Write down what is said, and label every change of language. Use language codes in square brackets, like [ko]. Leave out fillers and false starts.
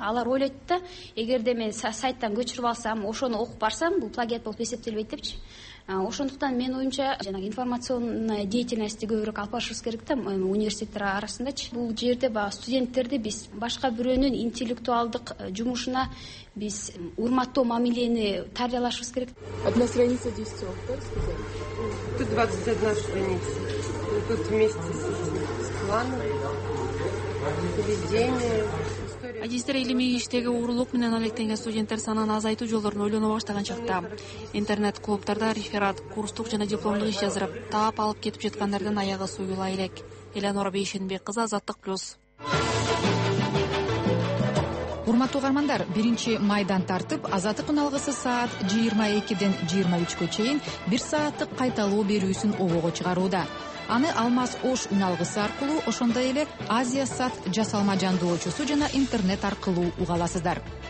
[ky] Алар ойлойт да, эгерде мен сайттан көчүрүп алсам, ошону окуп барсам, бул плагиат болуп эсептелбейт депчи. Ошондуктан менин оюмча жанагы [ru] информационная деятельностьти [ky] көбүрөөк алып барышыбыз керек да, университеттер арасындачы. Бул жерде баягы студенттерди биз башка бирөөнүн интеллектуалдык жумушуна биз урматтоо мамилени тарбиялашыбыз керек. [ru] Одна страница 10 слов, так сказать. Тут 21 страница. Тут вместе с планом, поведением. [ky] Адистер илимий иштеги уурулук менен алектенген студенттер санын азайтуу жолдорун ойлоно баштаган чакта интернет клубтарда реферат, курстук жана дипломдук иш жазып таап алып кетип жаткандардын аягы суюла элек. Эленор Бейшенбек кызы, Азаттык Плюс. Урматтуу угармандар, биринчи майдан тартып Азаттык уналгысы саат 22:00-23:00 чейин бир сааттык кайталоо берүүсүн обого чыгарууда. Аны Алмаз Ош уналгысы аркылуу, ошондой эле Азия Сат жасалма жандоочусу жана интернет аркылуу уга аласыздар.